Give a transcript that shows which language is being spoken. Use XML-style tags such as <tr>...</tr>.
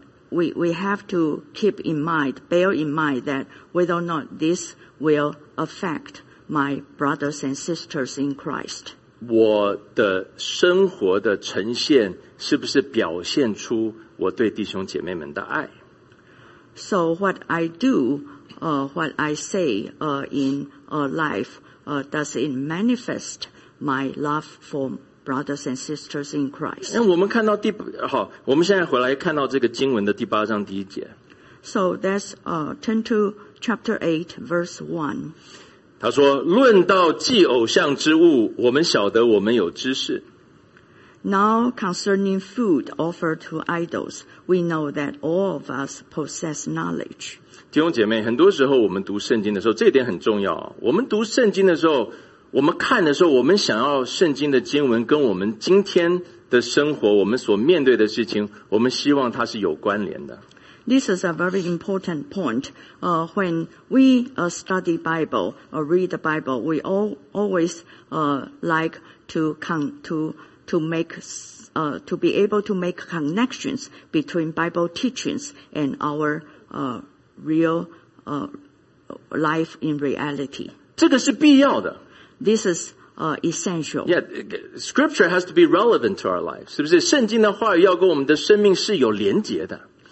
<en>We have to keep in mind, bear in mind that whether or not this will affect my brothers and sisters in Christ.</en> <zh>我的生活的呈现是不是表现出我对弟兄姐妹们的爱？</zh> <en>So what I do, what I say in life, does it manifest my love for brothers and sisters in Christ?</en> <zh>我们现在回来看到这个经文的第八章第一节。</zh> <en>So that's turn to chapter 8, verse 1.</en> <zh>他说, 论到祭偶像之物, 我们晓得我们有知识。</zh> <en>Now concerning food offered to idols, we know that all of us possess knowledge.</en> <zh>弟兄姐妹, 很多时候我们读圣经的时候, 这点很重要, 我们读圣经的时候, 我们看的时候, 我们想要圣经的经文跟我们今天的生活, 我们所面对的事情, 我们希望它是有关联的。</zh> <en>This is a very important point. When we study Bible or read the Bible, we all always like to come to make to be able to make connections between Bible teachings and our real life in reality.</en> <zh>这个是必要的.</zh> <en>This is essential. Yeah, Scripture has to be relevant to our lives.</en> <zh>是不是? 圣经的话语要跟我们的生命是有连结的。</zh>